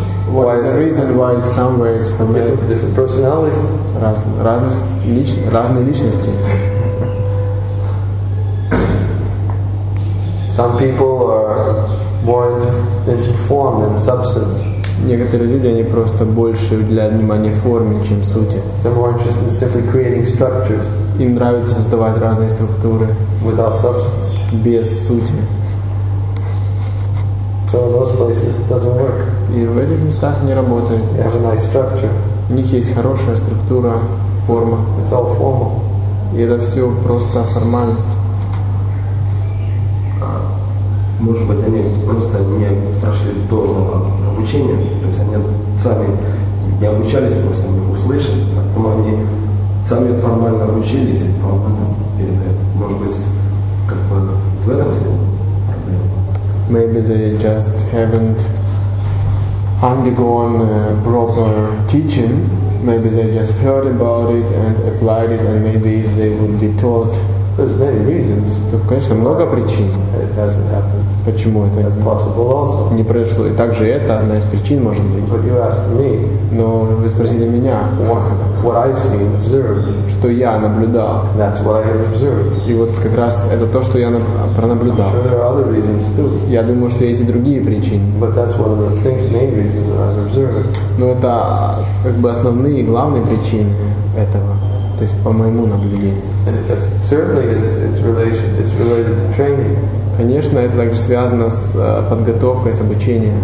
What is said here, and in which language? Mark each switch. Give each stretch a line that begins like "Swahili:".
English: What why is the reason why in some way it's formality? Different personalities.
Russian: Разные личности.
English: Some people are more into form than substance.
Russian: Некоторые люди, они просто больше уделяют внимание форме, чем сути.
English: They're more interested in simply creating structures.
Russian: Им нравится создавать разные структуры.
English: Without substance.
Russian: Без сути.
English: So in those places it doesn't work.
Russian: И в этих местах не работает.
English: They have a nice structure.
Russian: У них есть хорошая структура, форма.
English: It's all formal.
Russian: И это все просто формальность. Может быть, они просто не прошли должного обучения, то есть они сами не обучались, просто не услышали, потом они сами формально обучились и формально передают. Может быть, как бы в этом все проблема.
English: Maybe they just haven't undergone proper teaching. Maybe they just heard about it and applied it, and maybe they would be taught. There's many reasons.
Russian: Так, конечно, много причин.
English: It hasn't happened.
Russian: Почему это
English: That's possible also.
Russian: Не произошло? И также это одна из причин, может быть.
English: But you asked me.
Russian: Но вы спросили меня.
English: What I've seen, observed.
Russian: Что я наблюдал.
English: That's what I have observed.
Russian: И вот как раз это то, что я пронаблюдал.
English: I'm sure there are other reasons too.
Russian: Я думаю, что есть и другие причины.
English: But that's one of the main reasons that I've observed.
Russian: Но это как бы основные и главные причины этого. То есть по моему наблюдению.
English: Certainly it's related to training.
Russian: Конечно, это также связано с подготовкой, с обучением.